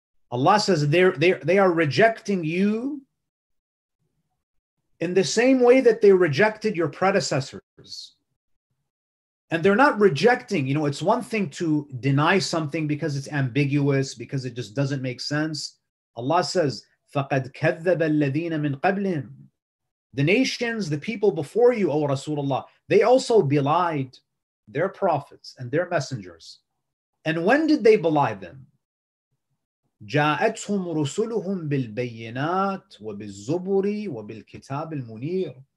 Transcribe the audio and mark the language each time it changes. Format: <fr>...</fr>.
<en>Allah says they are rejecting you in the same way that they rejected your predecessors. And they're not rejecting, you know, it's one thing to deny something because it's ambiguous, because it just doesn't make sense. Allah says,</en> <ar>فَقَدْ كَذَّبَ الَّذِينَ مِنْ قَبْلِهِمْ.</ar> <en>The nations, the people before you, O Rasulullah, they also belied their prophets and their messengers. And when did they belie them?</en> <ar>جَاءَتْهُمْ رُسُلُهُمْ بِالْبَيِّنَاتِ وَبِالزُّبُرِ وَبِالْكِتَابِ الْمُنِيرِ.</ar>